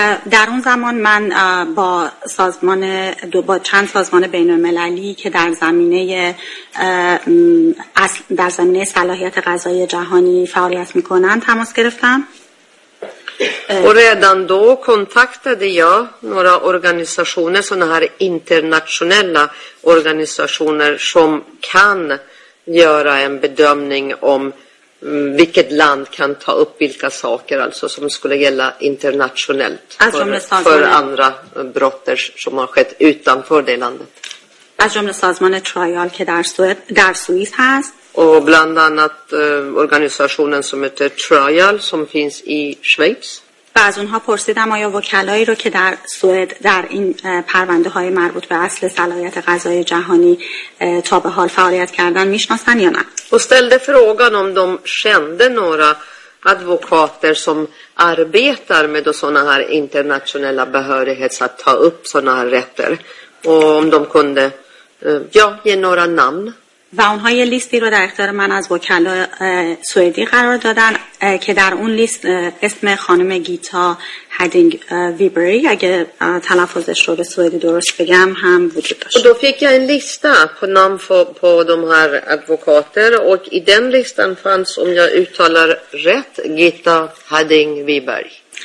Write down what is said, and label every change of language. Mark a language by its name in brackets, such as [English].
[Persian] در اون زمان من با سازمان با چند سازمان بین المللی که در زمینه صلاحیت قضایی جهانی فعالیت میکنن تماس گرفتم. [Swedish] و redan då kontaktade jag några organisationer, såna här internationella organisationer som kan göra en bedömning om vilket land kan ta upp vilka saker alltså som skulle gälla internationellt för andra brott som har skett utanför det landet. [Persian] از جمله سازمان ترایال که در سوئیس هست. [Swedish] Och bland annat organisationen som heter Trial som finns i Schweiz. [Persian] باز اونها پرسیدم آیا وکلایی رو که در سوئد در این پرونده های مربوط به اصل صلاحیت قضایی جهانی تا به حال فعالیت کردن میشناسن یا نه. [Swedish] استلده فرågan om de kände några advokater som arbetar med sådana här internationella behörigheter att ta upp sådana här rätter. Och om de kunde ge några namn. [Persian] و اونها یه لیستی رو در اختیار من از وکلا سوئدی قرار دادن که در اون لیست اسم خانم گیتا هدینگ ویبری اگه تلفظش رو به سوئدی درست بگم هم وجود داشت. [Swedish] Då fick jag en lista på namn på de här advokater och i den listan fanns om jag uttalar rätt Gita Hedding Wiberg.